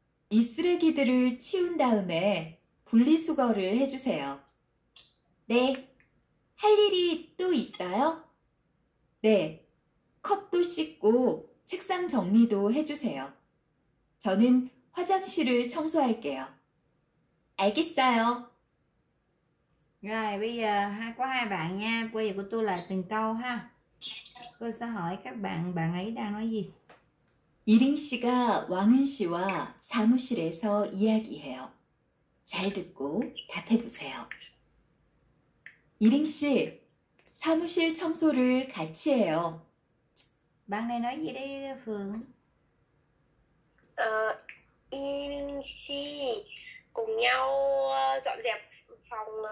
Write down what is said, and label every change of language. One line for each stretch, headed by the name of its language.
Korean: 이 쓰레기들을 치운 다음에 분리수거를 해주세요. 네, 할 일이 또 있어요? 네. 컵도 씻고 책상 정리도 해주세요. 저는 화장실을 청소할게요. 알겠어요.
Vietnamese: Rồi bây giờ ha, có hai bạn nha, quay của tôi lại từng câu ha. Tôi sẽ hỏi các bạn, bạn ấy đang nói gì?
Korean: 이링 씨가 왕은 씨와 사무실에서 이야기해요. 잘 듣고 답해보세요. 이링 씨, 사무실 청소를 같이 해요.
Vietnamese: Bạn này nói gì đây Phượng? Yên Si cùng nhau dọn dẹp phòng